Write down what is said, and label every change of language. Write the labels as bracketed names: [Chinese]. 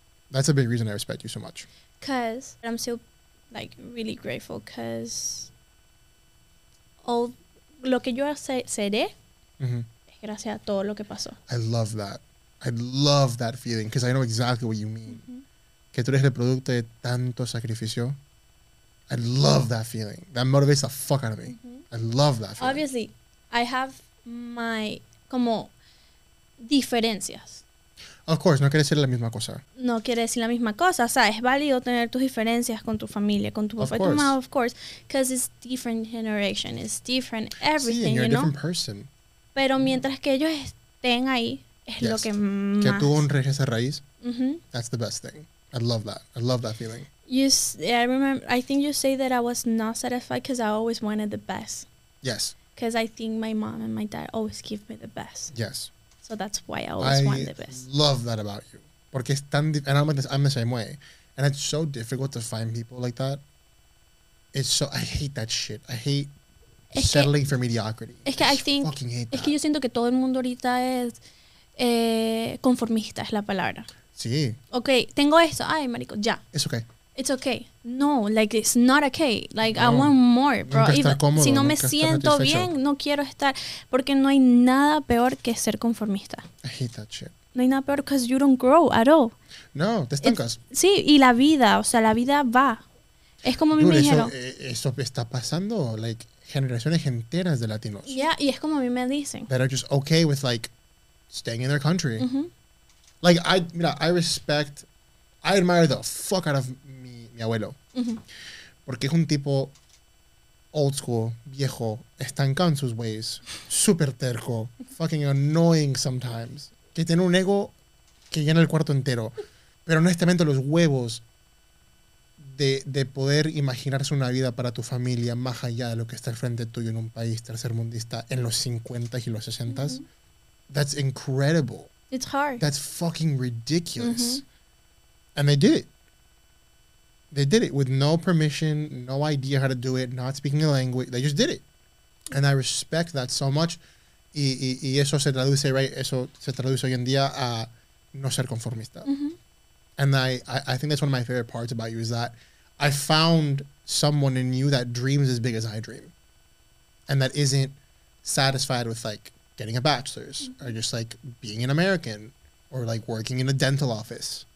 [English] That's a big reason I respect you so much. Because I'm still, like, really grateful because all [Spanish] lo que yo seré es gracias a todo lo que pasó. [English] I love that. I love that feeling because I know exactly what you mean. [Spanish] Que tú eres el producto de tanto sacrificio. [English] I love that feeling. That motivates the fuck out of me. Mm-hmm. I love that feeling. Obviously. I have my, [Spanish] como, diferencias. Of course, no quiere decir la misma cosa. No quiere decir la misma cosa. O sea, es válido tener tus diferencias con tu familia, con tu papá y tu mamá, [English] of course. Because it's different generation. It's different everything, [Spanish] sí, [English] you know? [Spanish] Sí, [English] you're a different person. [Spanish] Pero mientras que ellos estén ahí, es lo que más... Que tú honres esa raíz. Mm-hmm. [English] That's the best thing. I love that. I love that feeling. I think you say that I was not satisfied because I always wanted the best. Yes. Because I think my mom and my dad always give me the best. Yes. So that's why I always want the best. I love that about you. [Spanish] Porque es tan [English] and I'm the same way. And it's so difficult to find people like that. It's so, I hate that shit. I hate settling for mediocrity. [Spanish] Es que [English] I think, fucking hate that. [Spanish] Es que yo siento que todo el mundo ahorita es conformista, es la palabra. Sí. Okay, tengo esto. Ay, marico, ya. [English] It's okay. It's okay. No, like, it's not okay. Like, no. I want more, bro. [Spanish] Cómodo, si no me siento bien, no quiero estar. Porque no hay nada peor que ser conformista. [English] I hate that shit. [Spanish] No hay nada peor [English] because you don't grow at all. [Spanish] No, te estancas. Sí, y la vida, o sea, la vida va. Es como me dijeron. Eso está pasando, [English] like, [Spanish] generaciones enteras de latinos. Yeah, y es como a mí me dicen. [English] That are just okay with, like, staying in their country. Mm-hmm. Like, I, [Spanish] mira, [English] I respect, I admire the fuck out of [Spanish] mi abuelo. [English] Mm-hmm. [Spanish] Porque es un tipo [English] old school, [Spanish] viejo, estancado en sus ways, super terco, [English] fucking annoying sometimes, [Spanish] que tiene un ego que llena el cuarto entero, pero honestamente los huevos de poder imaginarse una vida para tu familia más allá de lo que está al frente tuyo en un país tercermundista en los 50s y los 60s, mm-hmm. [English] That's incredible. It's hard. That's fucking ridiculous. Mm-hmm. And they did it. They did it with no permission, no idea how to do it, not speaking the language. They just did it. And I respect that so much. [Spanish] Y eso se traduce, [English] right? [Spanish] Eso se traduce hoy en día a no ser conformista. Mm-hmm. [English] And I think that's one of my favorite parts about you is that I found someone in you that dreams as big as I dream. And that isn't satisfied with, like, getting a bachelor's, mm-hmm. or just, like, being an American or, like, working in a dental office.